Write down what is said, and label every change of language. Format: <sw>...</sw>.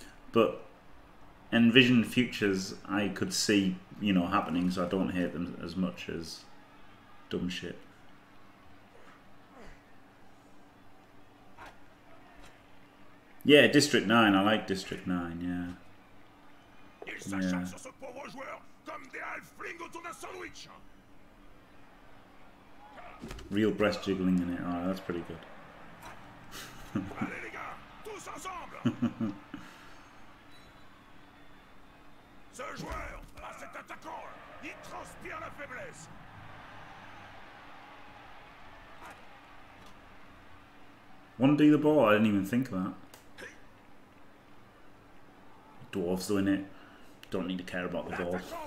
<en>But envisioned futures I could see, you know, happening, so I don't hate them as much as dumb shit. Yeah, District 9, I like District 9, yeah.</en> <fr>Il s'acharne sur ce pauvre joueur comme des halflings autour d'un sandwich.</fr> <en>Real breast jiggling in it, oh, that's pretty good.</en> <fr>Allez les gars, tous ensemble. Ce joueur, à cet attaquant, il transpire la faiblesse.</fr> <en>One D the ball, I didn't even think of that. Dwarves doing it. Don't need to care about the ball.</en>